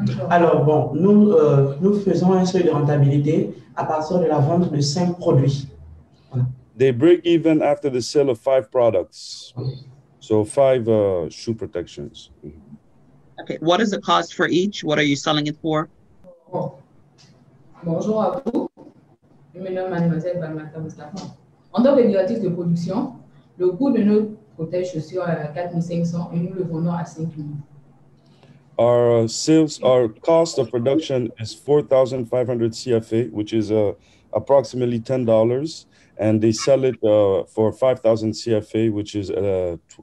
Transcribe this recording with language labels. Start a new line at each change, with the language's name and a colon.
French: Alors bon, nous faisons un seuil de rentabilité à partir de la vente de 5 produits.
English: They break even after the sale of 5 products. So 5 shoe protections. Okay, what is the cost for each? What are you selling it for?
French: Bonjour à vous. Je me nomme Mademoiselle Balmata Mustafa. En tant que directrice de production, le coût de nos protège chaussures est à 4500 et nous le vendons à 5000.
English: Our sales, our cost of production is 4,500 CFA, which is approximately $10. And they sell it for 5,000 CFA, which is $12.